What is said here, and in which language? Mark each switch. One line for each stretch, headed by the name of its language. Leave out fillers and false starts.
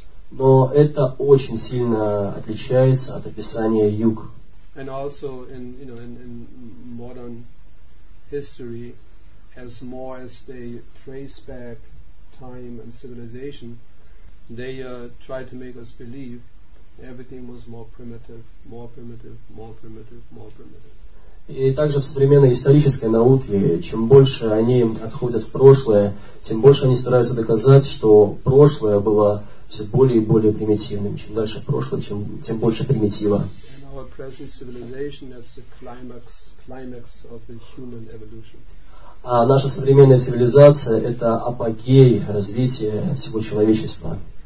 Russian: Но это очень сильно отличается от описания юг.
English: And also in modern history, as more as they trace back time and civilization, they try to make us believe everything was more primitive, more primitive, more primitive, more primitive.
Russian: И также в современной исторической науке, чем больше они отходят в прошлое, тем больше они стараются доказать, что прошлое было все более и более примитивным. Чем дальше прошлое, тем больше примитива.
English: And our present civilization is the climax of the human evolution.
Russian: А наша современная цивилизация – это апогей развития всего человечества.